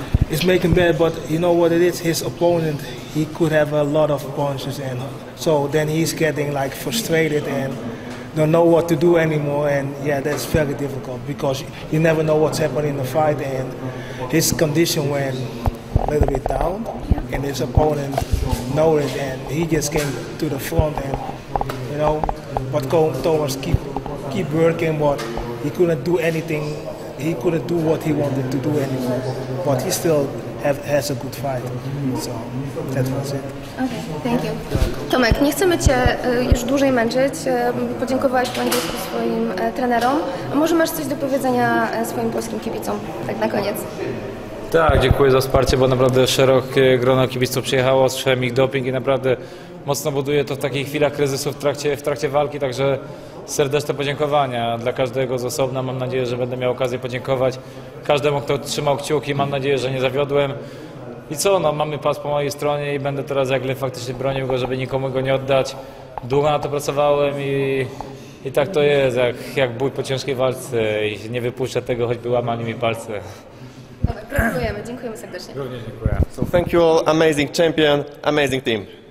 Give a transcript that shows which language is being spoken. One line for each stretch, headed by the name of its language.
English: It's making him better, but you know what it is? His opponent, he could have a lot of punches, and so then he's getting like frustrated and don't know what to do anymore, and yeah, that's very difficult because you never know what's happening in the fight, and his condition went a little bit down, and his opponent noticed, and he just came to the front, and you know, but Thomas keep working, but he couldn't do anything, he couldn't do what he wanted to do anymore, but he still has a good fight, so that was it. Okay, thank you.
Polish: Tomek, nie chcemy Cię już dłużej męczyć. Podziękowałeś po angielsku swoim trenerom. Może masz coś do powiedzenia swoim polskim kibicom, tak na koniec? Tak, dziękuję za wsparcie, bo naprawdę szerokie grono kibiców przyjechało, słyszałem ich doping i naprawdę mocno buduje to w takich chwilach kryzysu w trakcie walki, także serdeczne podziękowania dla każdego z osobna. Mam nadzieję, że będę miał okazję podziękować każdemu, kto trzymał kciuki. Mam nadzieję, że nie zawiodłem. I co, no mamy pas po mojej stronie i będę teraz jak lepiej faktycznie bronił go, żeby nikomu go nie oddać. Długo na to pracowałem i tak to jest, jak bój po ciężkiej walce i nie wypuszczę tego, choćby łamali mi palce. Dobra, gratulujemy, dziękujemy serdecznie. Również dziękuję.
English: So thank you all, amazing champion, amazing team.